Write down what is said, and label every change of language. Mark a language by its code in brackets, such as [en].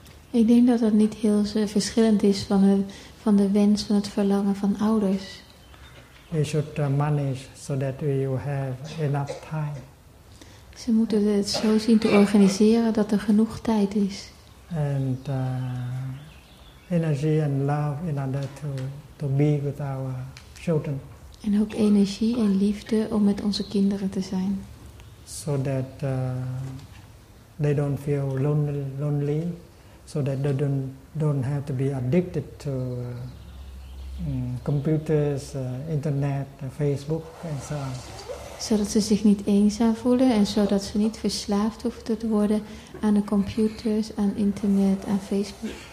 [nl] Ik denk dat dat niet heel verschillend is van de wens, van het verlangen van ouders. [en] We should manage so that we have enough time. [nl] Ze moeten het zo zien te organiseren dat er genoeg tijd is. [en] And energy and love in order to be with our children. [nl] En ook energie en liefde om met onze kinderen te zijn. [en] So that they don't feel lonely, so that they don't have to be addicted to computers, internet, Facebook and so on. [nl] Zodat ze zich niet eenzaam voelen en zodat ze niet verslaafd hoeven te worden aan de computers, aan internet, aan Facebook.